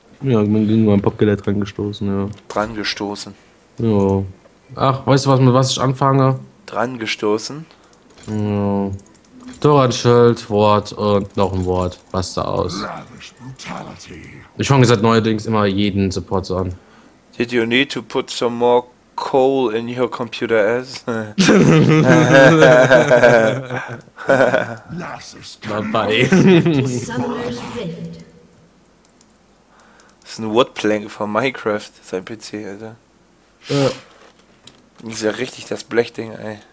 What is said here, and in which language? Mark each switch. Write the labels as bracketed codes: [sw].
[de] Ja, ich bin gegen meinen Popkiller dran gestoßen, Dran gestoßen. ja. Ja. Ach, weißt du was, mit was ich anfange? Dran gestoßen. Ja. Doran-Schild, Wort und noch ein Wort. Was da aus? Brutality. Ich fange seit neuerdings immer jeden Support so an. [en] Did you need to put some more coal in your computer ass? [de] Lass Das ist ein Woodplank von Minecraft, sein PC, Alter. Das ist ja richtig das Blechding, ey.